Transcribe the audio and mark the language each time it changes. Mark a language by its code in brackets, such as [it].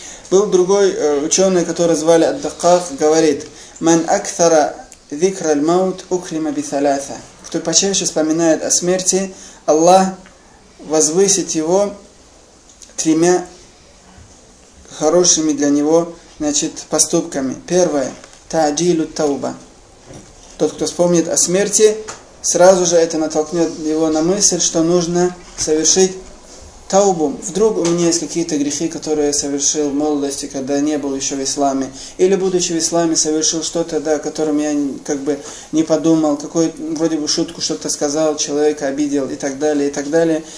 [ru] Был другой ученый, который звали Ад-Дакак, говорит: [ar] «Ман акфара ذكر الموت أكرم بثلاثة». [ru] Кто почаще вспоминает о смерти, Аллах возвысит его тремя хорошими для него, значит, поступками. Первое [ar] — تعجيل التوبة. [ru] Тот, кто вспомнит о смерти, сразу же это натолкнет его на мысль, что нужно совершить таубу. Вдруг у меня есть какие-то грехи, которые я совершил в молодости, когда не был еще в исламе. Или, будучи в исламе, совершил что-то, да, о котором я как бы не подумал, какую-то вроде бы шутку что-то сказал, человека обидел и так далее, и так далее.